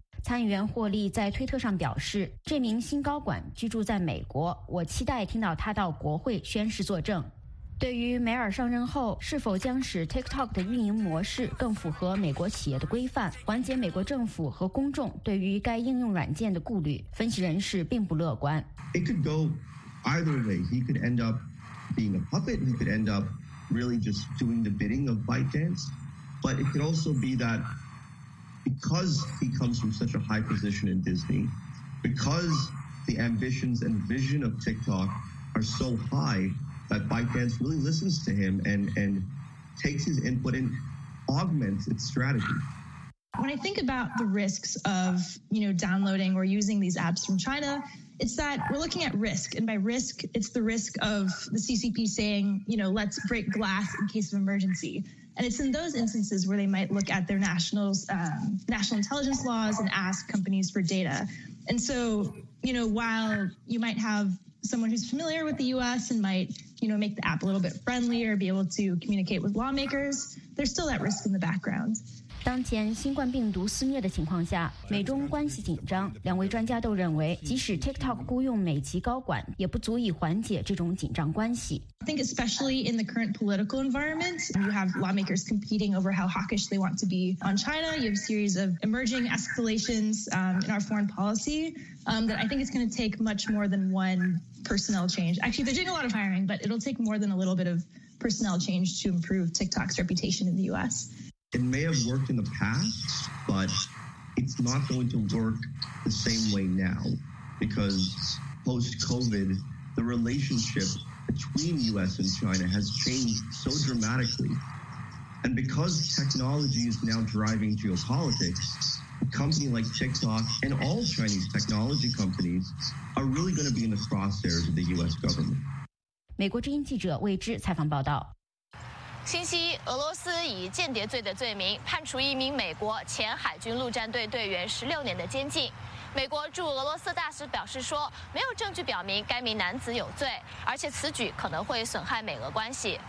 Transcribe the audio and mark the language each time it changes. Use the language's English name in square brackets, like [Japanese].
[Chinese] 参议员霍利在推特上表示，这名新高管居住在美国，我期待听到他到国会宣誓作证。对于梅尔上任后是否将使 TikTok 的运营模式更符合美国企业的规范，缓解美国政府和公众对于该应用软件的顾虑，分析人士并不乐观。 [English] It could go either way. He could end up being a puppet. He could end up really just doing the bidding of ByteDance. But it could also be that because he comes from such a high position in Disney, because the ambitions and vision of TikTok are so highThat ByteDance really listens to him and takes his input and augments its strategy. When I think about the risks of, you know, downloading or using these apps from China, it's that we're looking at risk. And by risk, it's the risk of the CCP saying, you know, let's break glass in case of emergency. And it's in those instances where they might look at their national intelligence laws and ask companies for data. And so, you know, while you might have someone who's familiar with the U.S. and might, you know, make the app a little bit friendlier, be able to communicate with lawmakers, there's still that risk in the background. [Chinese] 当前新冠病毒肆虐的情况下，美中关系紧张，两位专家都认为，即使 TikTok 雇佣美籍高管，也不足以缓解这种紧张关系。 [English] I think especially in the current political environment, you have lawmakers competing over how hawkish they want to be on China. You have a series of emerging escalations in our foreign policy that I think it's going to take much more than one personnel change. Actually, they're doing a lot of hiring, but it'll take more than a little bit of personnel change to improve TikTok's reputation in the U.S. It may have worked in the past, but it's not going to work the same way now because post-COVID, the relationship... between U.S. and China has changed so dramatically. And because technology is now driving geopolitics, a company like TikTok and all Chinese technology companies are really going to be in the crosshairs of the U.S. government. [Chinese] 美国之音记者魏芝采访报道。星期一，俄罗斯以间谍罪的罪名判处一名美国前海军陆战队队员16年的监禁。美国驻俄罗斯大使表示说，没有证据表明该名男子有罪，而且此举可能会损害美俄关系。